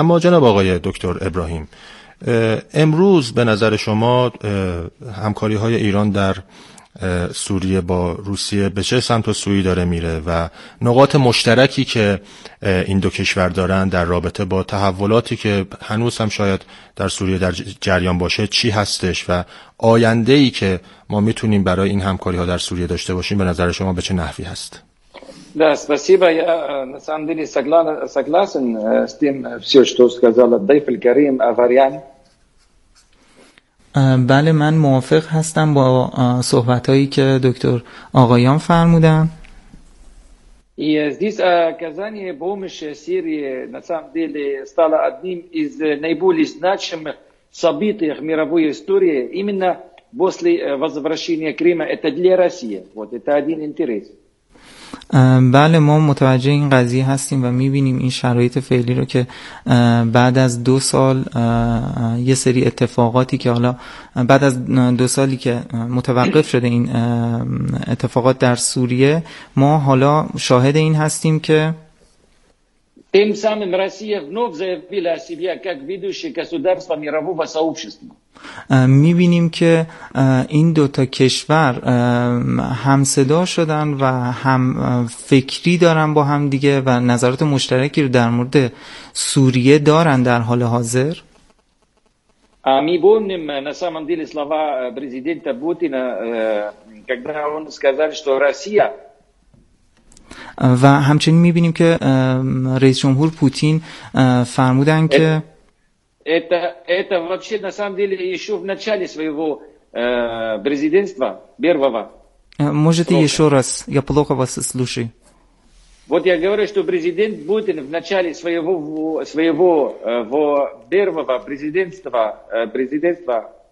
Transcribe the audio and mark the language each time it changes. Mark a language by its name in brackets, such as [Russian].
[Persian] اما جناب آقای دکتر ابراهیم، امروز به نظر شما همکاری های ایران در سوریه با روسیه به چه سمت و سویی داره میره و نقاط مشترکی که این دو کشور دارن در رابطه با تحولاتی که هنوز هم شاید در سوریه در جریان باشه چی هستش و آینده‌ای که ما میتونیم برای این همکاری‌ها در سوریه داشته باشیم به نظر شما به چه نحوی هست؟ [Russian] Да, спасибо. Я на самом деле согласен с тем всё, что сказала Дайф аль-Карим Аварян. [Persian] بله، من موافق هستم با صحبتایی که دکتر آقایان فرمودن. [Russian] Здесь оказание помощи Сирии на самом деле стало одним из наиболее значимых событий в мировой истории именно после возвращения Крыма. Это для России. Вот это один интерес. [Persian] بله، ما متوجه این قضیه هستیم و می‌بینیم این شرایط فعلی رو که بعد از دو سال یه سری اتفاقاتی که حالا بعد از دو سالی که متوقف شده این اتفاقات در سوریه، ما حالا شاهد این هستیم که تیم سامن [Russian] روسیه вновь заявила о себе как ведущее государство мирового сообщества. [Persian] می‌بینیم که این دو تا کشور هم صدا شدن و هم فکری دارن با هم دیگه و نظرات مشترکی رو در مورد سوریه دارن در حال حاضر. [Russian] Мы помним на самом деле слова президента Путина, когда он сказал, что Россия. [Persian] و همچنین می‌بینیم که رئیس جمهور پوتین فرمودن که [Russian] Это вообще на самом деле еще в начале своего президентства первого. Можете срока. Еще раз, я плохо вас слушаю. Вот я говорю, что президент Путин в начале своего первого президентства.